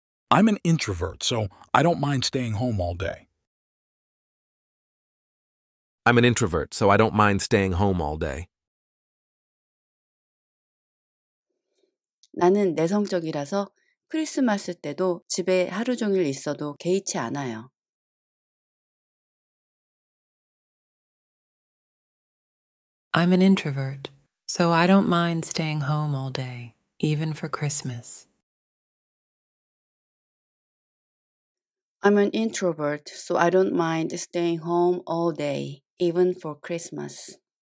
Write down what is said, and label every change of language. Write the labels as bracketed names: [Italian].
[English] I'm an introvert, so I don't mind staying home all day. I'm an introvert, so I don't mind staying home all day. [Korean] 나는 내성적이라서 크리스마스 때도 집에 하루 종일 있어도 개의치 않아요. [English] I'm an introvert, so I don't mind staying home all day, even for Christmas. I'm an introvert, so I don't mind staying home all day, even for Christmas.